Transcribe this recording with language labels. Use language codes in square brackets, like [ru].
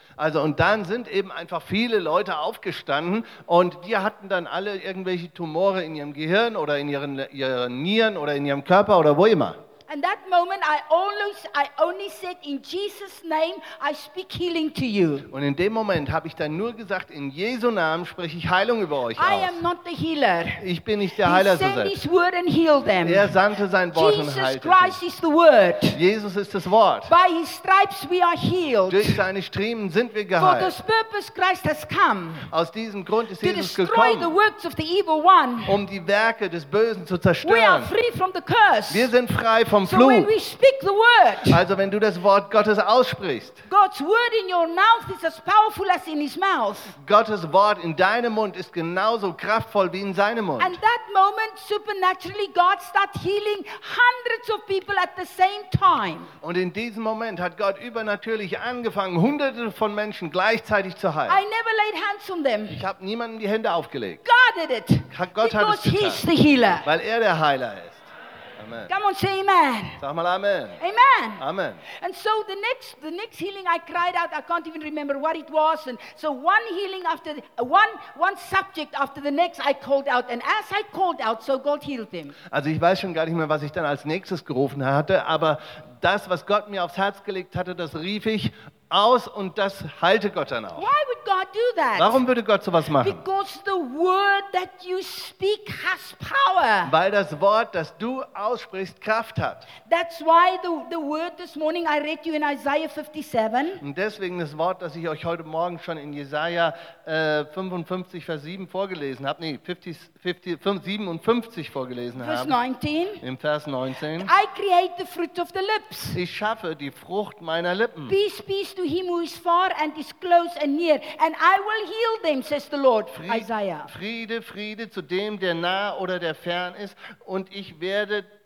[de] Also und dann sind eben einfach viele Leute aufgestanden und die hatten dann alle irgendwelche Tumore in ihrem Gehirn oder in ihren Nieren oder in ihrem Körper oder wo immer. [en] And that moment I only said in Jesus name I speak healing to you. [de] Und in dem Moment habe ich dann nur gesagt in Jesu Namen spreche ich Heilung über euch aus. [en] I am not the healer. [de] Ich bin nicht der Heiler so selbst. [en] He sent his word and healed them. [de] Er sandte sein Wort Jesus und heilte. [en] Jesus Christ is the word. [de] Jesus ist das Wort. [en] By his stripes we are healed. [de] Durch seine Striemen sind wir geheilt. [en] For this purpose Christ has come. [de] Aus diesem Grund ist [en] to [de] Jesus [en] destroy [de] gekommen. [en] The works of the evil one. [de] Um die Werke des Bösen zu zerstören. [en] We are free from the curse. [de] Wir sind frei vom [en] so when we speak the word, [de] also wenn du das Wort Gottes aussprichst, [en] God's word in your mouth is as powerful as in his mouth. [de] Gottes Wort in deinem Mund ist genauso kraftvoll wie in seinem Mund. [en] And that moment, supernaturally, God started healing hundreds of people at the same time. [de] Und in diesem Moment hat Gott übernatürlich angefangen, Hunderte von Menschen gleichzeitig zu heilen. [en] I never laid hands on them. [de] Ich habe niemandem die Hände aufgelegt. [en] God did it. [de] Gott hat es getan. [en] He's the healer. [de] Weil er der Heiler ist. [en] Amen. Come on, say amen. [de] Sag mal amen. [en] Amen. Amen. And so the next healing I cried out, I can't even remember what it was. And so one healing after one subject after the next I called out. And as I called out, so God healed him. [de] Also ich weiß schon gar nicht mehr, was ich dann als nächstes gerufen hatte, aber das, was Gott mir aufs Herz gelegt hatte, das rief ich aus und das heilte Gott dann auch. [en] Why would God do that? [de] Warum würde Gott sowas machen? [en] Because the word that you speak has power. [de] Weil das Wort, das du aussprichst, Kraft hat. [en] That's why the word this morning I read you in Isaiah 57. [de] Und deswegen das Wort, das ich euch heute Morgen schon in Jesaja 55, Vers 7 vorgelesen habe. Nee, 57 vorgelesen habe. Im Vers 19. [en] I create the fruit of the lips. [de] Ich schaffe die Frucht meiner Lippen. [en] Peace, peace to him who is far and is close and near, and I will heal them, says the Lord. Isaiah. [de] Friede, Friede zu dem, der nah oder der fern ist, und ich werde